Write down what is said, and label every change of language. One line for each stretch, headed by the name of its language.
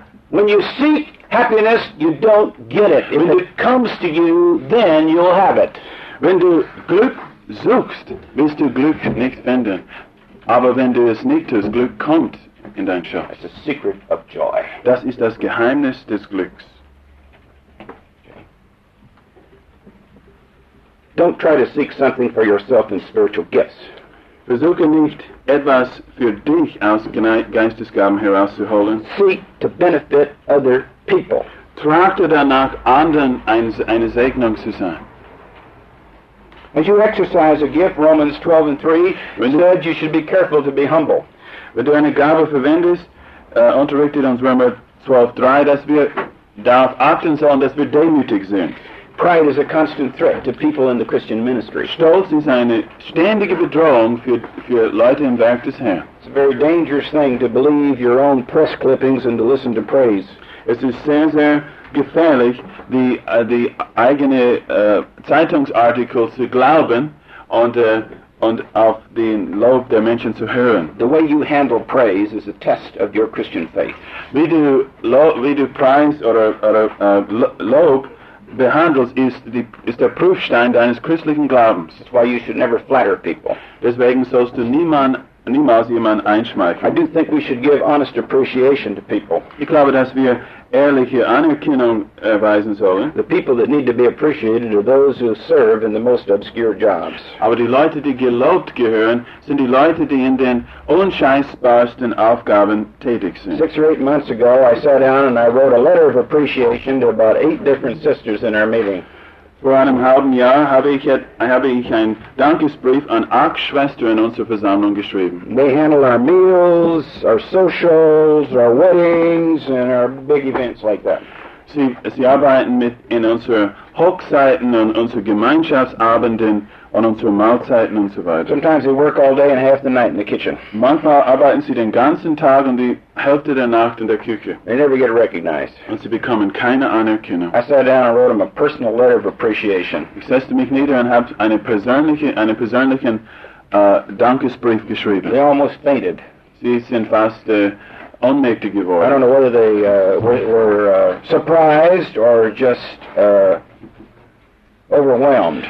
English: When you seek happiness, you don't get it. If it comes to you, then you'll have it.
German: Wenn du Glück suchst, wirst du Glück nicht finden. Aber wenn du es nicht tust, Glück kommt in dein Schoß.
English: That's the secret of joy.
German: Das ist das Geheimnis des Glücks.
English: Don't try to seek something for yourself in spiritual gifts.
German: Versuche nicht, etwas für dich aus Geistesgaben herauszuholen.
English: Seek to benefit other people.
German: Trachte danach, anderen eine Segnung zu sein.
English: As you exercise a gift, Romans 12 and 3 said you should be careful to be humble.
German: Wenn du eine Gabe verwendest, unterrichtet uns Römer 12:3, dass wir darauf achten sollen, dass wir demütig sind.
English: Pride is a constant threat to people in the Christian ministry.
German: Stolz ist eine ständige Bedrohung für Leute im Werk des Herrn.
English: It's a very dangerous thing to believe your own press clippings and to listen to praise.
German: Es ist sehr, sehr gefährlich, die eigene Zeitungsartikel zu glauben und und auf den Lob der Menschen zu hören.
English: The way you handle praise is a test of your Christian faith.
German: Wie du Preis oder Lob behandelst, ist der Prüfstein deines christlichen Glaubens.
English: That's why you should never flatter people.
German: Deswegen sollst du niemals jemanden einschmeicheln.
English: I do think we should give honest appreciation to people.
German: Ich glaube, dass wir ehrliche Anerkennung erweisen sollen.
English: The people that need to be appreciated are those who serve in the most obscure jobs.
German: Aber die Leute, die gelobt gehören, sind die Leute, die in den unscheißbarsten Aufgaben tätig sind.
English: 6 or 8 months ago, I sat down and I wrote a letter of appreciation to about 8 different sisters in our meeting.
German: Vor einem halben Jahr habe ich einen Dankesbrief an 8 Schwestern in unserer Versammlung geschrieben.
English: They handle our meals, our socials, our weddings, and our big events like that.
German: Sie arbeiten mit in unseren Hochzeiten und unseren Gemeinschaftsabenden und unseren Mahlzeiten und so weiter.
English: Sometimes they work all day and half the night in the kitchen.
German: Manchmal arbeiten sie den ganzen Tag und die Hälfte der Nacht in der Küche.
English: They never get recognized.
German: Und sie bekommen keine Anerkennung.
English: I sat down and wrote them a personal letter of appreciation.
German: Ich setzte mich nieder und habe einen persönlichen Dankesbrief geschrieben.
English: They almost fainted.
German: Sie sind fast ohnmächtig geworden.
English: I don't know whether they were surprised or just overwhelmed.